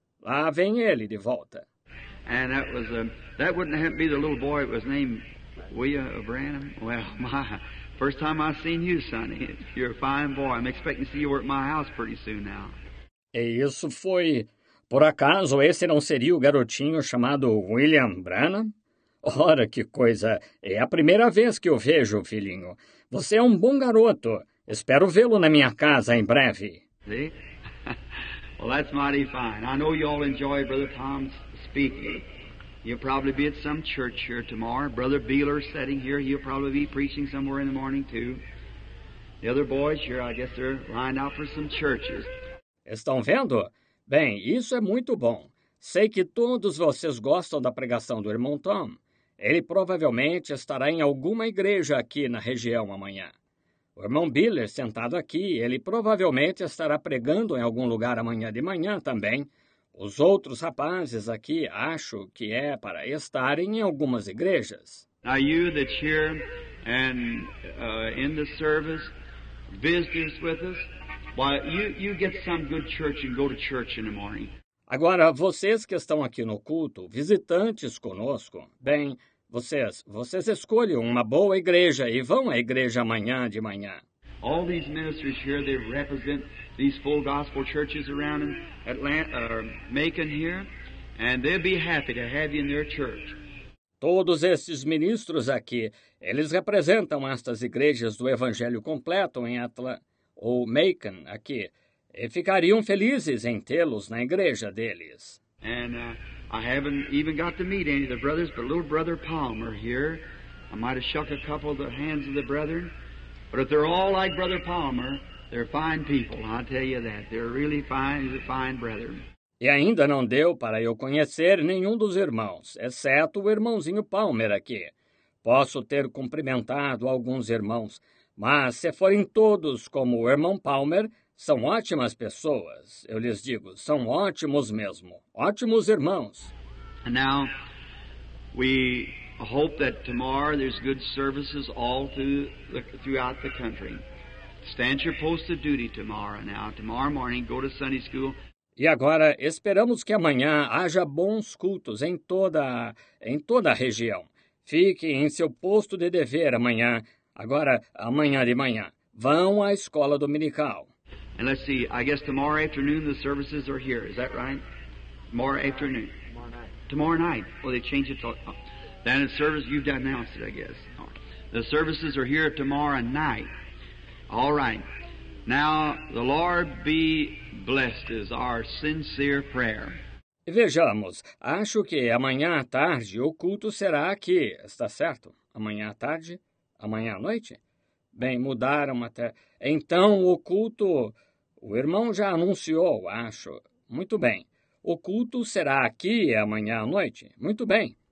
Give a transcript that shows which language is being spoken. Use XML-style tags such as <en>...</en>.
<pt>Lá vem ele de volta.</pt> <en>And that was that wouldn't happen to be the little boy. It was named William Branham. Well, my first time I've seen you, Sonny. You're a fine boy. I'm expecting to see you work my house pretty soon now.</en> <pt>E isso foi por acaso? Esse não seria o garotinho chamado William Branham? Ora, que coisa! É a primeira vez que o vejo, filhinho. Você é um bom garoto. Espero vê-lo na minha casa em breve.</pt> <en>See? Well, that's mighty fine. I know you all enjoy Brother Tom's speaking. He'll probably be at some church here tomorrow. Brother Beeler sitting here. He'll probably be preaching somewhere in the morning, too. The other boys here, I guess they're lined out for some churches.</en> <pt>Estão vendo? Bem, isso é muito bom. Sei que todos vocês gostam da pregação do irmão Tom. Ele provavelmente estará em alguma igreja aqui na região amanhã. O irmão Biller, sentado aqui, ele provavelmente estará pregando em algum lugar amanhã de manhã também. Os outros rapazes aqui, acho que é para estarem em algumas igrejas.</pt> <en>Now you that's here and in the service, visitors with us, why you get some good church and go to church in the morning.</en> <pt>Agora, vocês que estão aqui no culto, visitantes conosco, bem, vocês escolhem uma boa igreja e vão à igreja amanhã de manhã.</pt> <en>All these ministers here, they represent these full gospel churches around in Atlanta, Macon here, and they'll be happy to have you in their church.</en> <pt>Todos esses ministros aqui, eles representam estas igrejas do Evangelho Completo em Macon aqui. E ficariam felizes em tê-los na igreja deles.</pt> <en>And I haven't even got to meet any of the brothers, but little brother Palmer here. I might have shook a couple of the hands of the brethren. But if they're all like brother Palmer, they're fine people, I'll tell you that. They're really fine, the fine brethren.</en> <pt>E ainda não deu para eu conhecer nenhum dos irmãos, exceto o irmãozinho Palmer aqui. Posso ter cumprimentado alguns irmãos, mas se forem todos como o irmão Palmer, são ótimas pessoas, eu lhes digo, são ótimos mesmo, ótimos irmãos.</pt> <en>Now, we hope that tomorrow there's good services all throughout the country. Stand your post of duty tomorrow. Now, tomorrow morning, go to Sunday school.</en> <pt>E agora, esperamos que amanhã haja bons cultos em toda a região. Fique em seu posto de dever amanhã. Agora, amanhã de manhã, vão à escola dominical.</pt> <en>And let's see, I guess tomorrow afternoon the services are here, is that right? Tomorrow afternoon? Tomorrow night. Tomorrow night. Well, they change it to... Oh. Then the service, you've announced it, I guess. Oh. The services are here tomorrow night. All right. Now, the Lord be blessed is our sincere prayer.</en> <pt>Vejamos, acho que amanhã à tarde o culto será aqui, está certo? Amanhã à tarde? Amanhã à noite? Bem, mudaram até... Então, o culto... O irmão já anunciou, acho. Muito bem. O culto será aqui amanhã à noite. Muito bem.</pt>